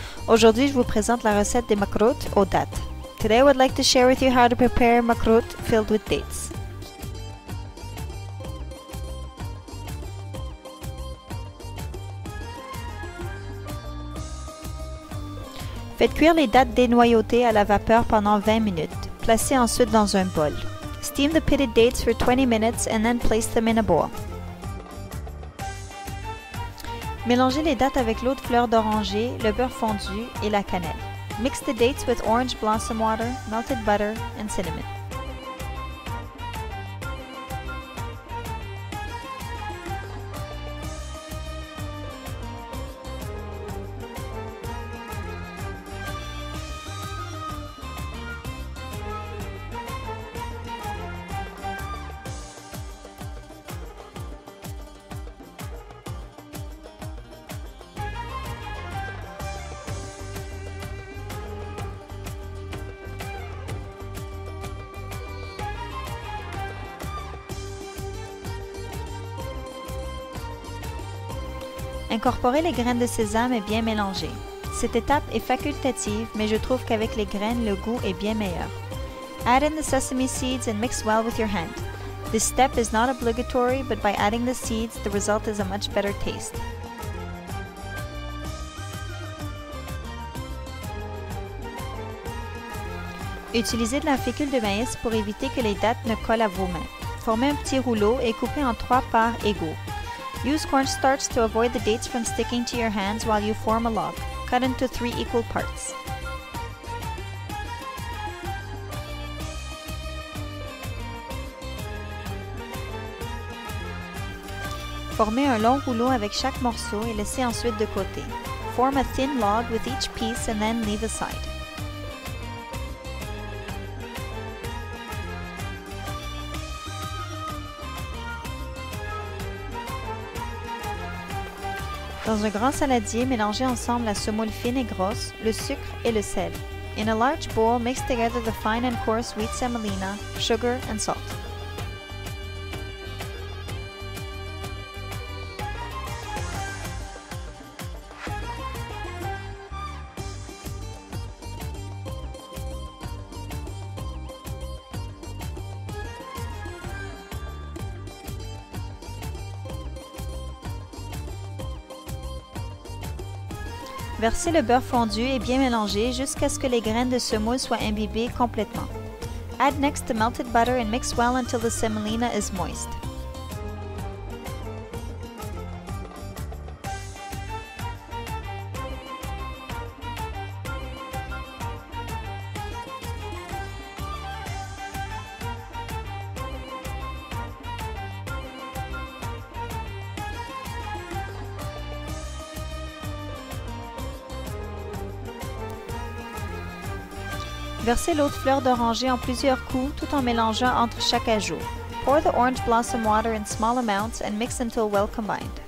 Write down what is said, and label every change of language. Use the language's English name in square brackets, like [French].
[French] Aujourd'hui, je vous présente la recette des makrout aux dates. [English] Today, I would like to share with you how to prepare makrout filled with dates. [French] Faites cuire les dates dénoyautées à la vapeur pendant 20 minutes. Placez ensuite dans un bol. [English] Steam the pitted dates for 20 minutes and then place them in a bowl. [French] Mélangez les dates avec l'eau de fleur d'oranger, le beurre fondu et la cannelle. [English] Mix the dates with orange blossom water, melted butter and cinnamon. [French] Incorporez les graines de sésame et bien mélanger. Cette étape est facultative, mais je trouve qu'avec les graines, le goût est bien meilleur. [English] Add in the sesame seeds and mix well with your hand. This step is not obligatory, but by adding the seeds, the result is a much better taste. [French] Utilisez de la fécule de maïs pour éviter que les dates ne collent à vos mains. Formez un petit rouleau et coupez en trois parts égaux. [English] Use cornstarch to avoid the dates from sticking to your hands while you form a log. Cut into three equal parts. [French] Formez un long rouleau avec chaque morceau et laissez ensuite de côté. [English] Form a thin log with each piece and then leave aside. [French] Dans un grand saladier, mélangez ensemble la semoule fine et grosse, le sucre et le sel. [English] In a large bowl, mix together the fine and coarse wheat semolina, sugar and salt. [French] Versez le beurre fondu et bien mélangé jusqu'à ce que les graines de semoule soient imbibées complètement. [English] Add next the melted butter and mix well until the semolina is moist. [French] Versez l'eau de fleur d'oranger en plusieurs coups tout en mélangeant entre chaque ajout. [English] Pour the orange blossom water in small amounts and mix until well combined.